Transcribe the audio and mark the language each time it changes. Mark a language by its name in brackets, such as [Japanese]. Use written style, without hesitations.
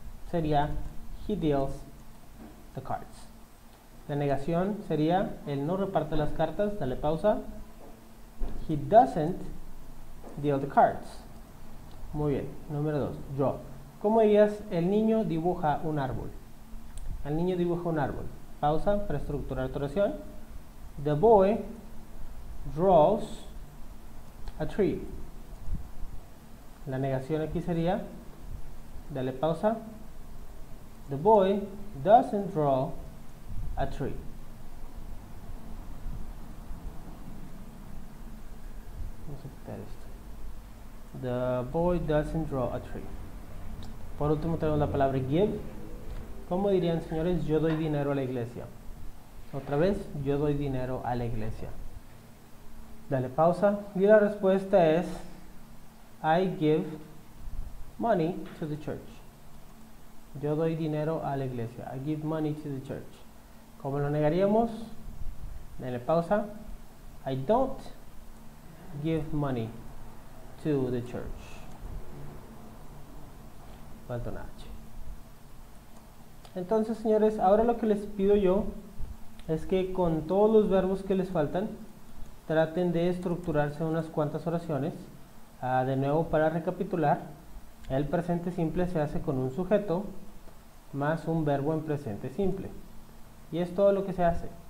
[Spanish] Sería [English] he deals the cards. [Spanish] La negación sería él no reparte las cartas. Dale pausa. [English] He doesn't deal the cards. [Spanish] Muy bien. Número dos. Draw. ¿Cómo dirías el niño dibuja un árbol? El niño dibuja un árbol. Pausa para estructurar tu oración. [English] The boy draws a tree. [Spanish] La negación aquí sería, dale pausa. [English] The boy doesn't draw a tree. [Spanish] vamos a quitar esto. [English] The boy doesn't draw a tree. [Spanish] Por último tenemos la palabra give. ¿Cómo dirían, señores? Yo doy dinero a la iglesia. Otra vez, yo doy dinero a la iglesia. Dale pausa. Y la respuesta es, [English] I give money to the church. [Spanish] Yo doy dinero a la iglesia. [English] I give money to the church. [Spanish] ¿Cómo lo negaríamos? Dale pausa. [English] I don't give money to the church. [Spanish] Falta una H. Entonces, señores, ahora lo que les pido yo es que con todos los verbos que les faltan, traten de estructurarse unas cuantas oraciones. De nuevo, para recapitular, el presente simple se hace con un sujeto más un verbo en presente simple. Y es todo lo que se hace.